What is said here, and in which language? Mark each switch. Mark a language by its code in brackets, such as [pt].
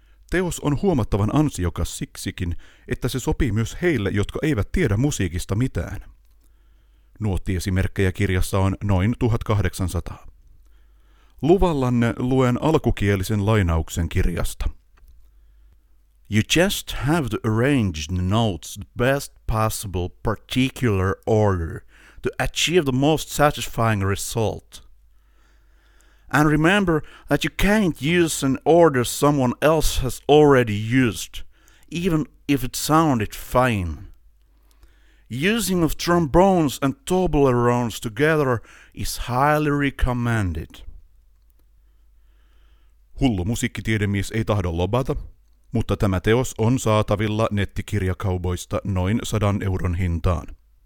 [fi] Teos on huomattavan ansiokas siksikin, että se sopii myös heille, jotka eivät tiedä musiikista mitään. Nuottiesimerkkejä kirjassa on noin 1800. Luvallanne luen alkukielisen lainauksen kirjasta. [en] You just have to arrange the notes the best possible particular order to achieve the most satisfying result. And remember that you can't use an order someone else has already used, even if it sounded fine. Using of trombones and toblerones together is highly recommended. [fi] Hullu musiikkitiedemies ei tahdo lobata, mutta tämä teos on saatavilla nettikirjakaupoista noin 100 euron hintaan.